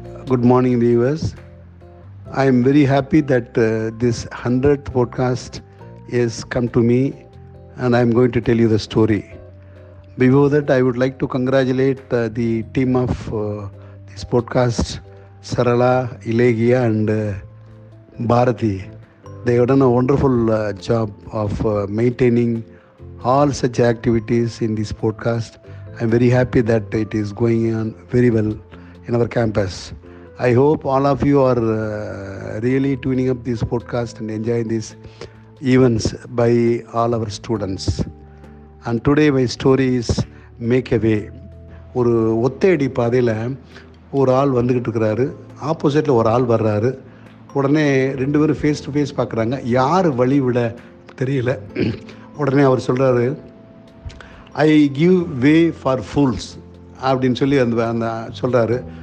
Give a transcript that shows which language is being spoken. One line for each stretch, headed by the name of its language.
English: Good morning viewers. I am very happy that this 100th podcast is come to me. And I am going to tell you the story. Before that, I would like to congratulate the team of this podcast, Sarala, Ilegia and Bharati. They have done a wonderful job of maintaining all such activities in this podcast. I am very happy that it is going on very well in our campus. I hope all of you are really tuning up this podcast and enjoying this events by all our students. And today my story is Make a Way.
Tamil: ஒரு ஒத்தையடி பாதையில் ஒரு ஆள் வந்துக்கிட்டு இருக்கிறாரு.
English: ஆப்போசிட்டில்
Tamil: ஒரு ஆள் வர்றாரு. உடனே ரெண்டு பேரும்
English: face to face
Tamil: பார்க்குறாங்க. யார் வழி விட தெரியல. உடனே அவர் சொல்கிறாரு,
English: I give way for fools
Tamil: அப்படின்னு சொல்லி அந்த சொல்கிறாரு.